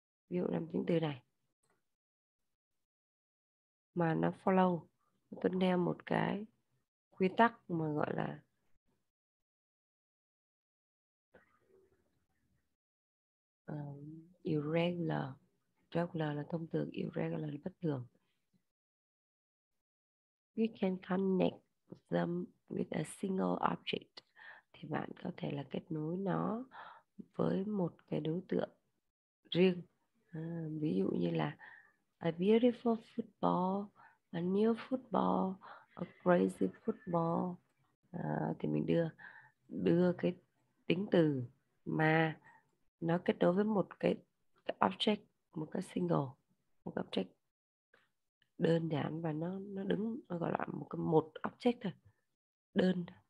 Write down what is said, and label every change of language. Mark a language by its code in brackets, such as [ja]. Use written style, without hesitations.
[vi] Ví dụ 5 tính từ này mà nó follow, tuân theo một cái quy tắc mà gọi là irregular. Irregular là thông thường, irregular là bất thường. [en] You can connect them with a single object. [vi] Thì bạn có thể là kết nối nó với một cái đối tượng riêng. Ví dụ như là [en] a beautiful football, a new football, a crazy football. [vi] Thì mình đưa cái tính từ mà nó kết nối với một cái object, một cái single, một cái object đơn giản và nó đứng, nó gọi là một cái một object thôi, đơn.